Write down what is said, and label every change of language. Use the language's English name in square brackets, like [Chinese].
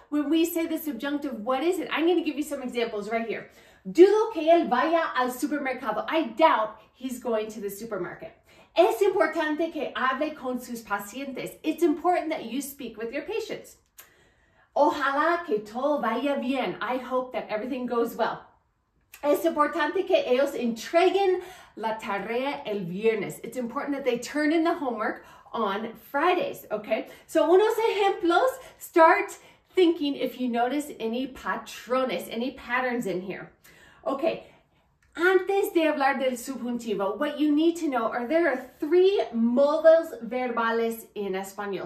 [English] When we say the subjunctive, what is it? I'm going to give you some examples right here. [Spanish] Dudo que él vaya al supermercado. [English] I doubt he's going to the supermarket. [Spanish] Es importante que hable con sus pacientes. [English] It's important that you speak with your patients. [Spanish] Ojalá que todo vaya bien. [English] I hope that everything goes well. [Spanish] Es importante que ellos entreguen la tarea el viernes. [English] It's important that they turn in the homework on Fridays, okay? So [Spanish] unos ejemplos, [English] start thinking if you notice any patrones, any patterns in here. Okay, [Spanish] antes de hablar del subjuntivo, [English] what you need to know are there are three [Spanish] modos verbales [English] in Espanol.